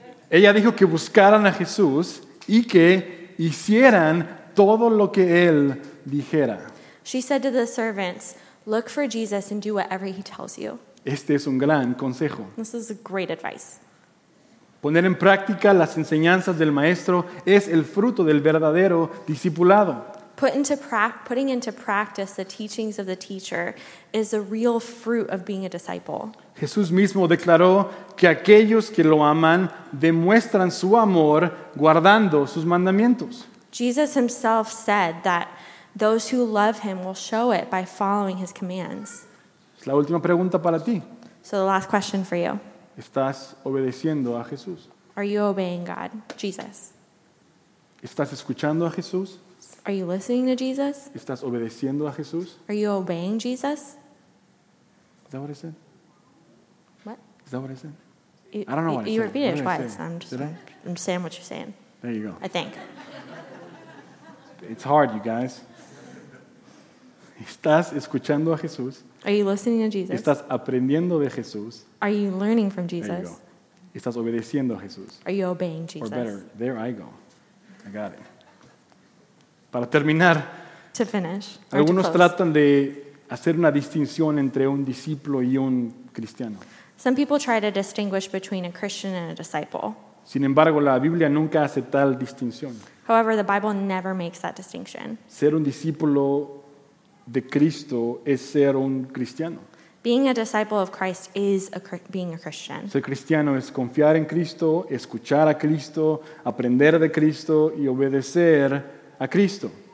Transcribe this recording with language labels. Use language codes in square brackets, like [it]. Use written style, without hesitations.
[es] Ella dijo que buscaran a Jesús y que hicieran todo lo que él dijera. [en] She said to the servants, look for Jesus and do whatever he tells you. [es] Este es un gran consejo. [en] This is a great advice. [es] Poner en práctica las enseñanzas del maestro es el fruto del verdadero discipulado. [en] Putting into practice the teachings of the teacher is the real fruit of being a disciple. [es] Jesús mismo declaró que aquellos que lo aman demuestran su amor guardando sus mandamientos. [en] Jesus himself said that those who love him will show it by following his commands. [es] Es la última pregunta para ti. [en] So the last question for you. [es] ¿Estás obedeciendo a Jesús? [en] Are you obeying God, Jesus? [es] ¿Estás escuchando a Jesús? [en] Are you listening to Jesus? [es] ¿Estás obedeciendo a Jesús? [en] Are you obeying Jesus? Is that what I said? What? Is that what I said? I don't know what you repeated it twice. I'm just saying what you're saying. There you go. I think. It's hard, you guys. [es] ¿Estás escuchando a Jesús? [en] Are you listening to Jesus? [es] ¿Estás aprendiendo de Jesús? [en] Are you learning from Jesus? There you go. [es] ¿Estás obedeciendo a Jesús? [en] Are you obeying Jesus? Or better, there I go. I got it. [es] Para terminar, [en] to finish, [es] algunos tratan de hacer una distinción entre un discípulo y un cristiano. [en] Some people try to distinguish between a Christian and a disciple. [es] Sin embargo, la Biblia nunca hace tal distinción. [en] However, the Bible never makes that distinction. [es] Ser un discípulo de Cristo es ser un cristiano. [en] Being a disciple of Christ is being a Christian. [es] Ser cristiano es confiar en Cristo, escuchar a Cristo, aprender de Cristo y obedecer a Cristo.